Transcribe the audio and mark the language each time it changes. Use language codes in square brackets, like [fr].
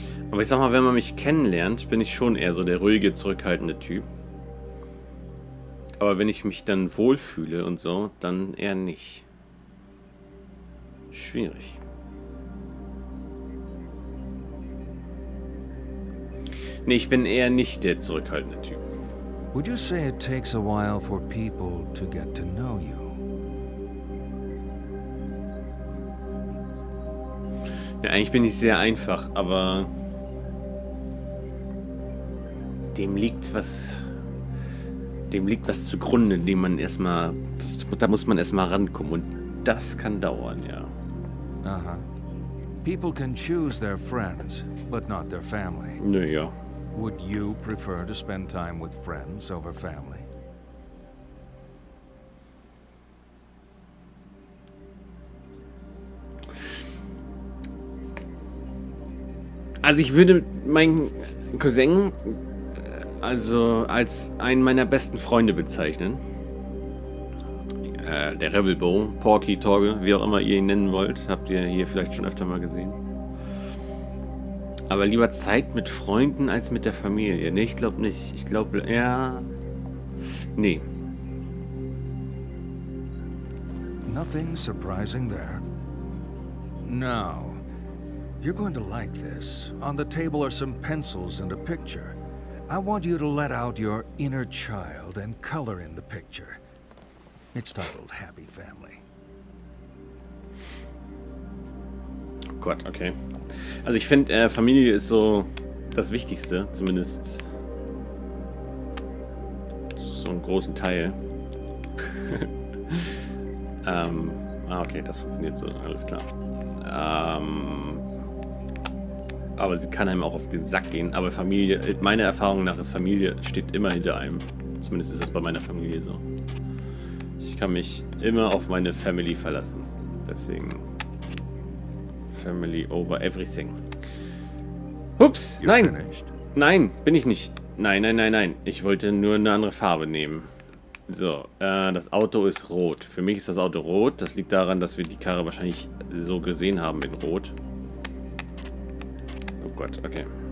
[de] Aber ich sag mal, wenn man mich kennenlernt, bin ich schon eher so der ruhige, zurückhaltende Typ. Aber wenn ich mich dann wohlfühle und so, dann eher nicht. Schwierig. Nee, ich bin eher nicht der zurückhaltende Typ. [en] Would you say it takes a while for people to get to know you? [de] Ja, eigentlich bin ich sehr einfach, aber dem liegt was zugrunde, dem man erstmal, da muss man erstmal rankommen, und das kann dauern, ja. Aha. [en] People can choose their friends, but not their family. [de] Nö, ja. [en] Would you prefer to spend time with friends over family? [de] Also ich würde meinen Cousin also als einen meiner besten Freunde bezeichnen. Der Rebel Bo, Porky, Torge, wie auch immer ihr ihn nennen wollt. Habt ihr hier vielleicht schon öfter mal gesehen. Aber lieber Zeit mit Freunden als mit der Familie. Nee, ich glaube nicht. Ich glaube, ja. Nee. [en] Nothing surprising there. Now, you're going to like this. On the table are some pencils and a picture. I want you to let out your inner child and color in the picture. It's titled Happy Family. [de] Gott, okay. Also ich finde, Familie ist so das Wichtigste, zumindest so einen großen Teil. okay, das funktioniert so, alles klar. Aber sie kann einem auch auf den Sack gehen. Aber Familie, meiner Erfahrung nach, ist Familie steht immer hinter einem. Zumindest ist das bei meiner Familie so. Ich kann mich immer auf meine Family verlassen. Deswegen [en] Family over everything. [de] Ups, nein. Nein, bin ich nicht. Nein, nein, nein, nein. Ich wollte nur eine andere Farbe nehmen. So, das Auto ist rot. Für mich ist das Auto rot. Das liegt daran, dass wir die Karre wahrscheinlich so gesehen haben in rot. Oh Gott, okay.